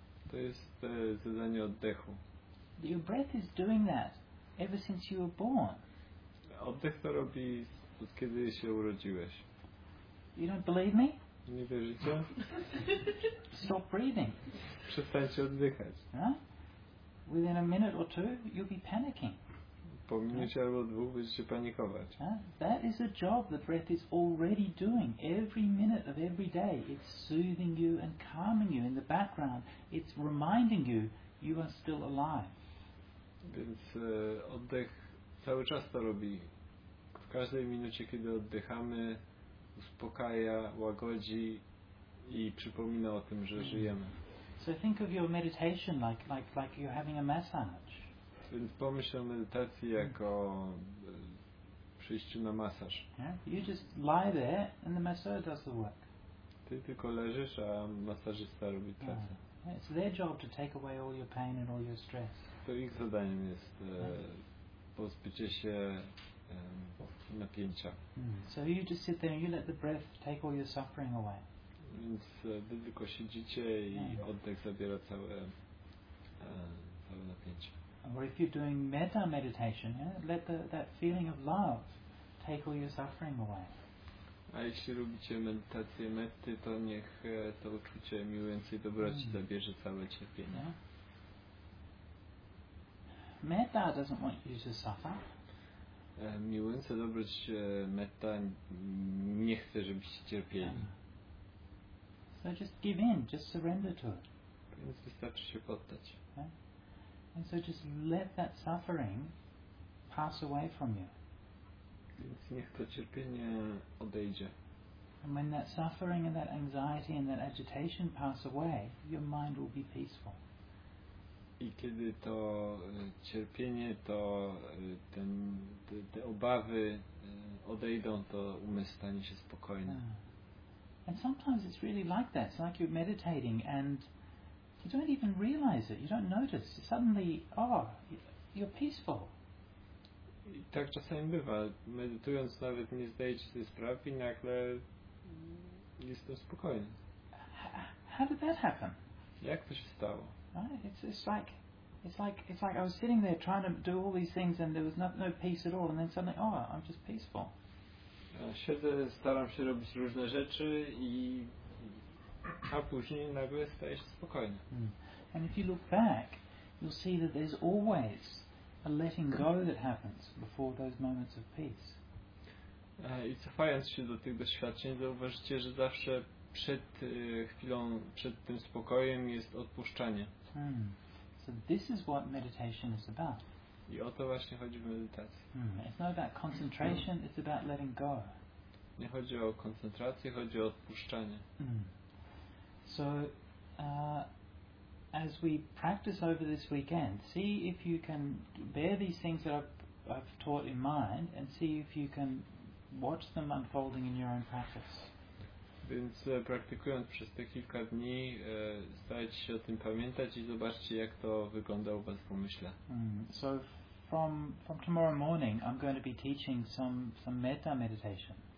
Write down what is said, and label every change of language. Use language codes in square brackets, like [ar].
[pl] To jest zadanie oddechu. [en] Your breath is doing that ever since you were born. [pl] Oddech to robi od kiedy się urodziłeś. [en] You don't believe me? [pl] Nie wierzycie? [en] Stop breathing. [pl] Przestańcie oddychać. [en] Within a minute or two, you'll be panicking. [pl] Po minucie albo dwóch będziecie panikować. [en] That is a job the breath is already doing every minute of every day. It's soothing you and calming you in the background. It's reminding you you are still alive. [pl] Więc oddech cały czas to robi. W każdej minucie, kiedy oddychamy, uspokaja, łagodzi i przypomina o tym, że żyjemy. [en] So think of your meditation like you're having a massage. [pl] Więc pomyśl o medytacji jako przyjściu na masaż. [en] You just lie there and the masseur does the work. [pl] ty tylko leżysz, a masażysta robi pracę. [en] It's their job to take away all your pain and all your stress. [pl] To ich zadaniem jest pozbycie się napięcia. [en] So you just sit there and you let the breath take all your suffering away. [pl] Więc wy tylko siedzicie i oddech zabiera całe całe napięcie. [en] Or if you're doing metta meditation, let that feeling of love take all your suffering away. [pl] A jeśli robicie medytację metty, to niech to uczucie miłości dobroci zabierze całe cierpienie. [en] Metta doesn't want you to suffer. [pl] Miłości dobroć metta nie chce, żebyście cierpieli. [en] So just give in, just surrender to it. [pl] Więc wystarczy się poddać. [en] And so just let that suffering pass away from you. [pl] Więc niech to cierpienie odejdzie. [en] And when that suffering and that anxiety and that agitation pass away, your mind will be peaceful. [pl] I kiedy to cierpienie, to ten, te obawy odejdą, to umysł stanie się spokojny. [en] And sometimes it's really like that. It's like you're meditating and you don't even realize it. You don't notice. Suddenly, you're peaceful. [pl] I tak czasami bywa. Medytując nawet nie zdajecie sobie sprawy i nagle jestem spokojny. [en] How did that happen? [pl] Jak to się stało? [en] Right? It's like I was sitting there trying to do all these things and there was no peace at all and then suddenly, I'm just peaceful. [pl] Ja siedzę, staram się robić różne rzeczy i a później nagle staje się spokojny. [en] And if you look back, you'll see that there's always a letting go that happens before those moments of peace. [pl] I cofając się do tych doświadczeń, zauważycie, że zawsze przed chwilą, przed tym spokojem jest odpuszczanie. [en] So this is what meditation is about. [pl] I o to właśnie chodzi w medytacji. [en] It's not about concentration, it's about letting go. [pl] Nie chodzi o koncentrację, chodzi o odpuszczanie. [en] So, as we practice over this weekend, see if you can bear these things that I've taught in mind and see if you can watch them unfolding in your own practice. [pl] Więc praktykując przez te kilka dni, starajcie się o tym pamiętać i zobaczcie, jak to wygląda u was w umyśle. [en] So, from tomorrow morning, I'm going to be teaching some metta meditation.